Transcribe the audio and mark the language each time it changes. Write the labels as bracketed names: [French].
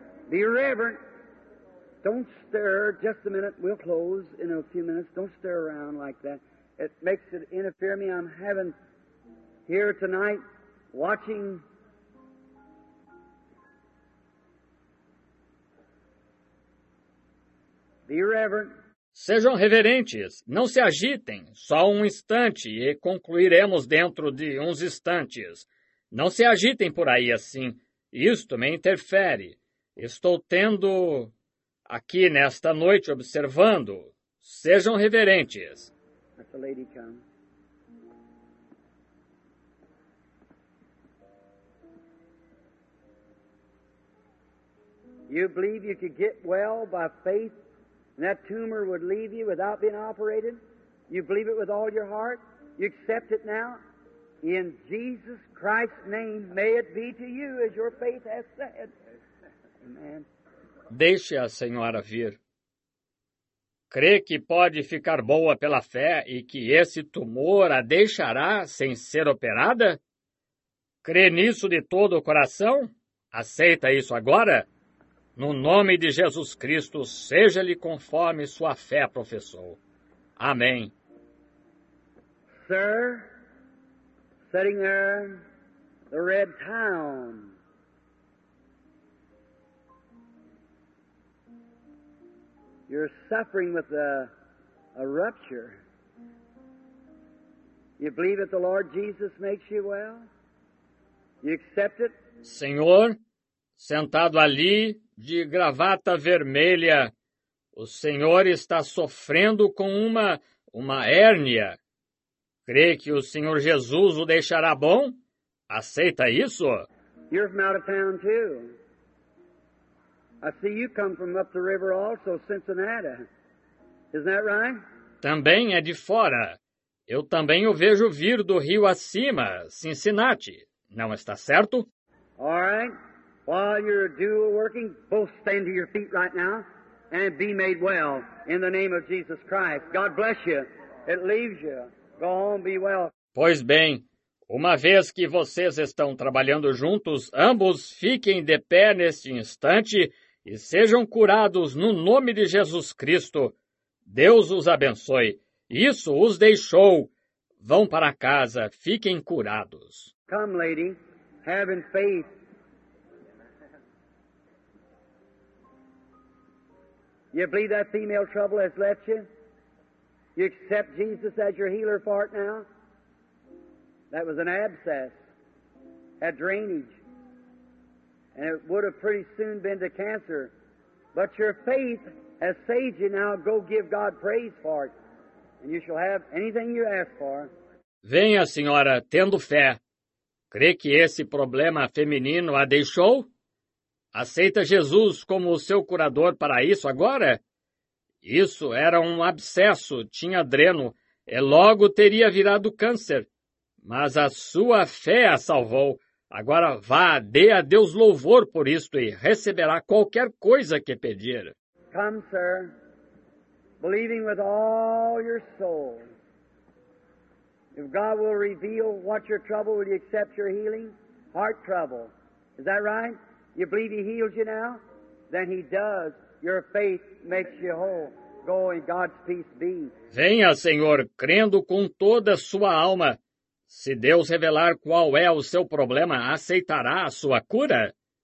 [English] Be reverent. Don't stir. Just a minute. We'll close in a few minutes. Don't stir around like that. It makes it interfere me. I'm having here tonight watching. Be reverent. [Portuguese] Sejam reverentes, não se agitem, só um instante e concluiremos dentro de uns instantes. Não se agitem por aí assim, isto me interfere. Estou tendo aqui nesta noite observando. Sejam reverentes. [English] Let the lady come. You believe you could get well by faith? And that tumor would leave you without being operated? You believe it with all your heart? You accept it now? In Jesus Christ's name, may it be to you as your faith has said. Amen. [Portuguese] Deixe a senhora vir. Crê que pode ficar boa pela fé e que esse tumor a deixará sem ser operada? Crê nisso de todo o coração? Aceita isso agora? No nome de Jesus Cristo, seja-lhe conforme sua fé, professor. Amém. [English] Sir, sitting there, the red town. You're suffering with a rupture. You believe that the Lord Jesus makes you well? You accept it? [Portuguese] Senhor, sentado ali, de gravata vermelha, o senhor está sofrendo com uma hérnia. Crê que o senhor Jesus o deixará bom? Aceita isso? [English] You're from out of town, too. I see you come from up the river also, Cincinnati. Isn't that right? [Portuguese] Também é de fora. Eu também o vejo vir do rio acima, Cincinnati. Não está certo? [English] All right. While you're dual working, both stand to your feet right now and be made well in the name of Jesus Christ. God bless you. It leaves you. Go home, be well. [Portuguese] Pois bem, uma vez que vocês estão trabalhando juntos, ambos fiquem de pé neste instante e sejam curados no nome de Jesus Cristo. Deus os abençoe. Isso os deixou. Vão para casa. Fiquem curados. [English] Come, lady. Have in faith. You believe that female trouble has left you? You accept Jesus as your healer for it now? That was an abscess, had drainage, and it would have pretty soon been to cancer. But your faith has saved you now. Go give God praise for it, and you shall have anything you ask for. [Portuguese] Venha, senhora, tendo fé. Crê que esse problema feminino a deixou? aceita Jesus como o seu curador para isso agora? Isso era um abscesso, tinha dreno, e logo teria virado câncer. Mas a sua fé a salvou. Agora vá, dê a Deus louvor por isto e receberá qualquer coisa que pedir. [English] Come, sir, believing with all your soul. If God will reveal what your trouble, will you accept your healing? Heart trouble. Is that right? You believe he heals you now? Then he does. Your faith makes you whole. Go in God's peace be. [Portuguese] Venha, Senhor, crendo com toda a sua alma. Se Deus revelar qual é o seu problema, aceitará a sua cura?